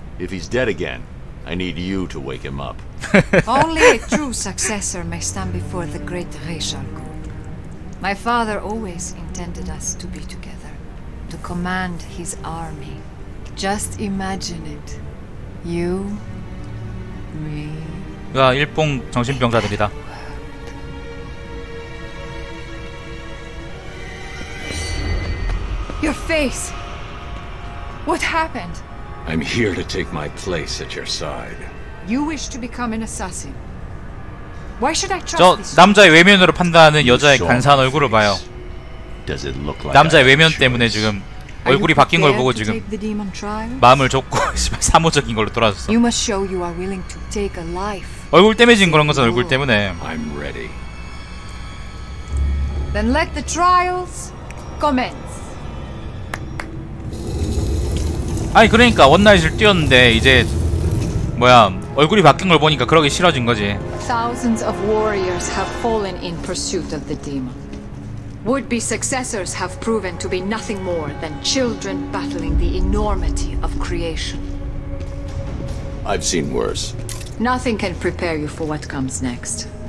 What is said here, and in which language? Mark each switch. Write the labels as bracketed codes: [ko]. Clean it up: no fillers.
[en] If he's dead again, I need you to wake him up. Only a true successor may stand before the great Raish Al Ghul. My father always intended us to be together, to command his army. Just imagine it. You, me. [ko] 와, 일봉 정신병자들이다. 페이스. [en] What happened? I'm here to take my place at your side. You wish to become an assassin. Why should I trust you? [ko] 저 남자의 외면으로 판단하는 여자의 간사한 얼굴을 봐요. [en] Does it look like [ko] 남자의 외면 때문에 지금 얼굴이 바뀐 걸 보고 지금 마음을 줬고 사무적인 걸로 돌아섰어. [en] You must show you are willing to take a life. [ko] 얼굴 때문에 지금 그런 것은 얼굴 때문에. [en] I'm ready. Then let the trials commence. [ko] 아니 그러니까 원나잇을 뛰었는데 이제 뭐야 얼굴이 바뀐 걸 보니까 그러기 싫어진 거지. [en] Thousands of warriors have fallen in pursuit of the demon. Would-be successors have proven to be nothing more than children battling the enormity of creation. I've seen worse. Nothing can prepare you for what comes next.